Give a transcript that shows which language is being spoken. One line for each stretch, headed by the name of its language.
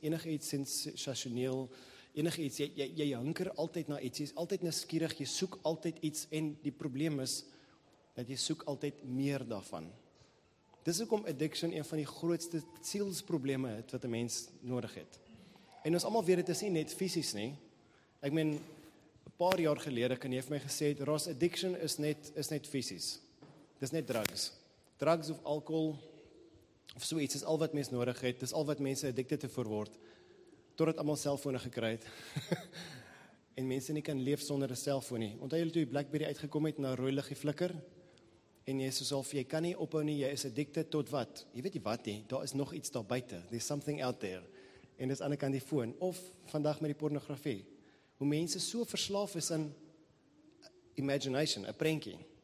Afrikaans: Enige iets sensasioneel, enige iets. Jy hinker altyd na iets. Jy is altyd nuuskierig, jy soek altyd iets en die probleem is dat jy soek altyd meer daarvan. Dis hoekom addiction een van die grootste sielsprobleme het wat 'n mens nodig het. En ons almal weet dit is nie net fisies nie. Ek meen 'n paar jaar gelede kan jy vir my gesê het Ross, addiction is net fisies. Dis net drugs. Drugs of alkohol of so iets is al wat mens nodig het. Dis al wat mense addicted te voor word totdat almal selfone gekry het. En mense nie kan leef sonder 'n selfoon nie. Onthou jy toe die BlackBerry uitgekom het en nou rooi liggie flikker? En jy is soos jy kan nie ophou nie, jy is addicted tot wat? Jy weet nie wat nie, daar is nog iets daar buite.
English: There's something out there.
Afrikaans: En dis aan die kant die foon. Of vandag met die pornografie. Hoe mense so verslaaf is in imagination, 'n prentjie.